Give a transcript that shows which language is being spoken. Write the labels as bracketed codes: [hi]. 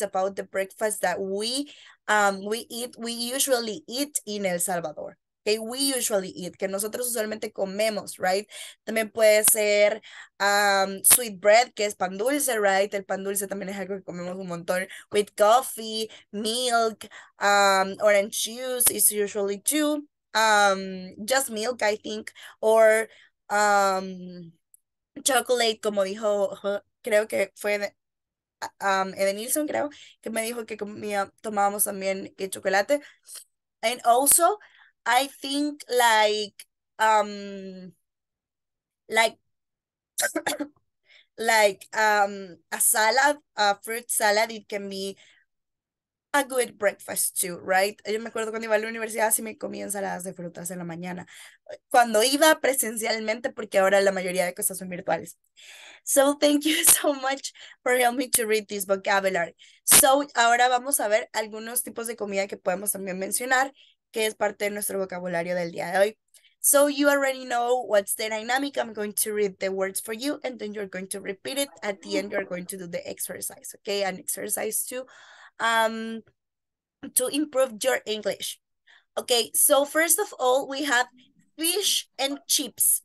[en] About the breakfast that we usually eat in El Salvador. Okay, we usually eat, [es] que nosotros usualmente comemos, [en] right? [es] También puede ser [en] sweet bread, [es] que es pan dulce, right? El pan dulce también es algo que comemos un montón. [en] With coffee, milk, orange juice is usually too. Just milk, I think. [es] Or chocolate, como dijo, creo que fue Edenilson, creo, que me dijo que tomábamos también chocolate. [en] And also, I think like a salad, a fruit salad, it can be a good breakfast too, right? [es] Yo me acuerdo cuando iba a la universidad, sí me comía ensaladas de frutas en la mañana. Cuando iba presencialmente, porque ahora la mayoría de cosas son virtuales. [en] So thank you so much for helping me to read this vocabulary. [es] So ahora vamos a ver algunos tipos de comida que podemos también mencionar, que es parte de nuestro vocabulario del día de hoy. [en] So you already know what's the dynamic. I'm going to read the words for you and then you're going to repeat it. At the end, you're going to do the exercise, okay? An exercise to improve your English. Okay, so first of all, we have fish and chips.